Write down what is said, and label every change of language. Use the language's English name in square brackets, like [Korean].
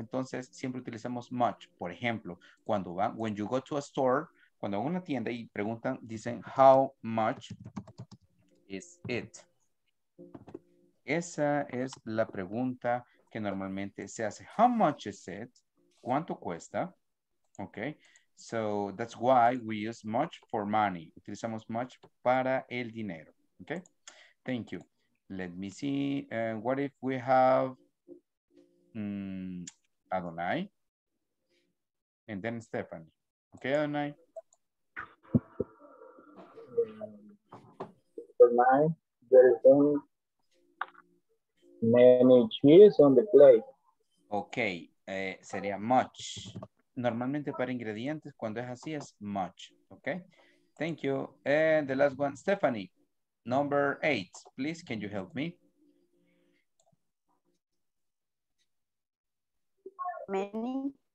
[Spanish] Entonces, siempre utilizamos much. Por ejemplo, cuando van, [English] when you go to a store, [Spanish] cuando van a una tienda y preguntan, dicen, [English] how much is it? [Spanish] Esa es la pregunta que normalmente se hace. [English] How much is it? [Spanish] ¿Cuánto cuesta? [English] Okay, so that's why we use much for money. [Spanish] Utilizamos much para el dinero. [English] Okay, thank you. Let me see. What if we have Adonai and then Stephanie? Okay, Adonai. For mine, there is many cheese on the plate. [Spanish] Okay, sería much. Normalmente para ingredientes, cuando es así, es much. [English] Okay. Thank you. And the last one, Stephanie. Number 8. Please, can you help me? Many.